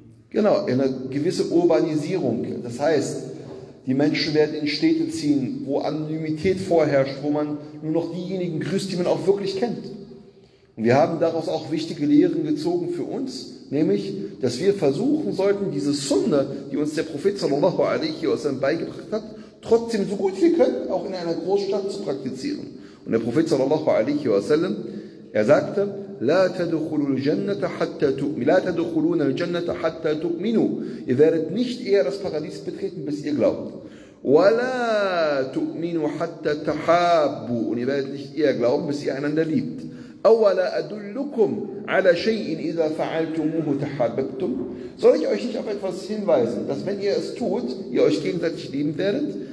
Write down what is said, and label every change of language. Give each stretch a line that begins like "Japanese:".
German: Genau, eine gewisse Urbanisierung. Das heißt, die Menschen werden in Städte ziehen, wo Anonymität vorherrscht, wo man nur noch diejenigen grüßt, die man auch wirklich kennt. Und wir haben daraus auch wichtige Lehren gezogen für uns. Nämlich, dass wir versuchen sollten, diese Sunna, die uns der Prophet sallallahu alaihi wa sallam beigebracht hat, trotzdem so gut wir können, auch in einer Großstadt zu praktizieren. Und der Prophet sallallahu alaihi wa sallam, er sagte,
Arabic: لَا تَدْخُلُوا الْجَنَّةَ حَتَّى تُؤْمِنُوا لَا تَدْخُلُونَ الْجَنَّةَ حَتَّى تُؤْمِنُوا.
German: Ihr werdet nicht eher das Paradies betreten, bis ihr glaubt.
Arabic: وَلَا تُؤْمِنُوا حَتَّى تَحَابُوا.
German: Und ihr werdet nicht eher glauben, bis ihr einander liebt.
Arabic: أَوَلَا أَدُلُّكُمْ عَلَى شَيْءٍ إِذَا فَعَلْتُمُوهُ تَحَابَبْتُمْ.
German: Soll ich euch nicht auf etwas hinweisen, dass wenn ihr es tut, ihr euch gegenseitig lieben werdet?